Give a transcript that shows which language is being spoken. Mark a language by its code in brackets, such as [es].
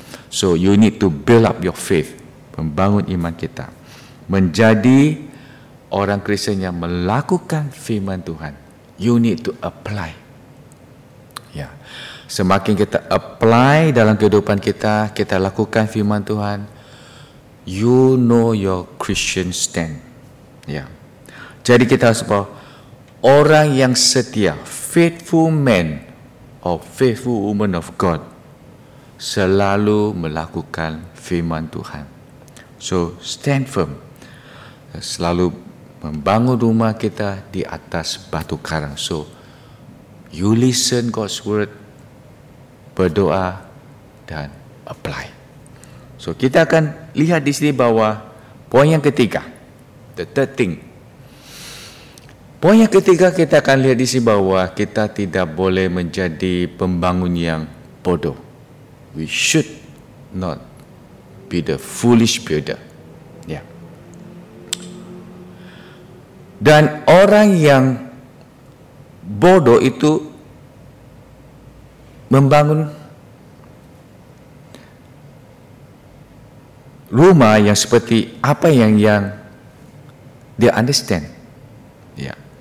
[en] So you need to build up your faith. [id] Membangun iman kita. Menjadi orang Kristen yang melakukan firman Tuhan. [en] You need to apply. [id] Ya. Semakin kita apply dalam kehidupan kita, kita lakukan firman Tuhan, [en] you know your Christian stand. [id] Ya. Jadi kita harus bahwa orang yang setia, [en] faithful man or faithful woman of God, [id] selalu melakukan firman Tuhan. [en] So stand firm, [id] selalu membangun rumah kita di atas batu karang. [en] So you listen God's word, [id] berdoa dan [en] apply. [id] So kita akan lihat di sini bahwa poin yang ketiga, [en] the third thing. [id] Poin yang ketiga kita akan lihat di sini bahwa kita tidak boleh menjadi pembangun yang bodoh. [en] We should not be the foolish builder. Yeah. [id] Dan orang yang bodoh itu membangun rumah yang seperti apa yang dia understand. Ya.